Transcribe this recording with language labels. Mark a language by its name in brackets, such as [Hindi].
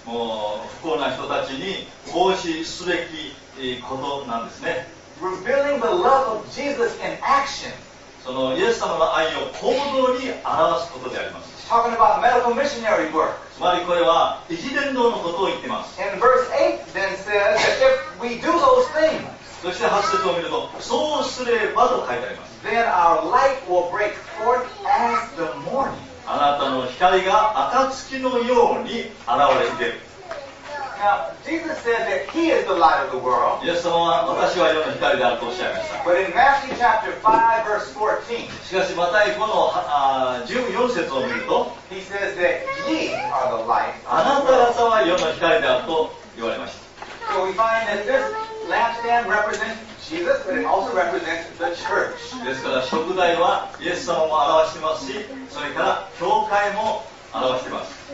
[Japanese] もう不幸な人たちに奉仕すべきことなんですね。 [English] Revealing the love of Jesus in action. [Japanese] そのイエス様の愛を行動に表すことであります。 [English] talking about medical missionary work. [Japanese] つまりこれは医師伝道のことを言っています。 [English] And verse 8 then says that if we do those things, [Japanese] そして8節を見ると、そうすればと書いてあります。 [English] Then our light will break forth as the morning. [Japanese] あなたの光が暁のように現れている。 [English] Now, Jesus said that He is the light of the world. [Japanese] イエス様は私は世の光であるとおっしゃいました。 [English] But in Matthew chapter 5, verse 14, [Japanese] しかしマタイ5の14節を見ると、 [English] He says that ye are the light of the world. [Japanese] あなた方は世の光であると言われました。 [English] So we find that this lampstand represents Jesus, but it also represents the church. [Japanese] ですから食材はイエス様も表してますし、それから教会も表してます。